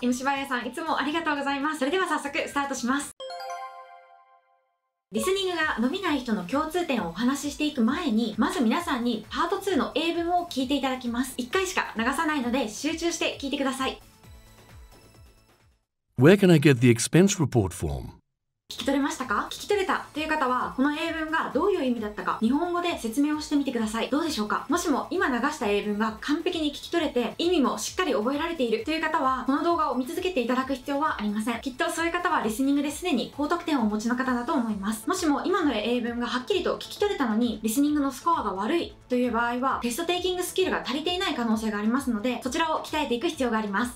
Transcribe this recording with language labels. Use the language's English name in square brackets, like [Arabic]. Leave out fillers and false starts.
[Japanese] M 芝谷さん、いつもありがとうございます。それでは早速スタートします。リスニングが伸びない人の共通点をお話ししていく前に、まず皆さんにパート2の英文を聞いていただきます。 1回しか流さないので集中して聞いてください。 [English] Where can I get the expense report form? [Japanese] 聞き取れましたか？聞き取れたという方は、この英文がどういう意味だったか日本語で説明をしてみてください。どうでしょうか？もしも今流した英文が完璧に聞き取れて意味もしっかり覚えられているという方は、この動画を見続けていただく必要はありません。きっとそういう方はリスニングですでに高得点をお持ちの方だと思います。もしも今の英文がはっきりと聞き取れたのにリスニングのスコアが悪いという場合は、テストテイキングスキルが足りていない可能性がありますので、そちらを鍛えていく必要があります。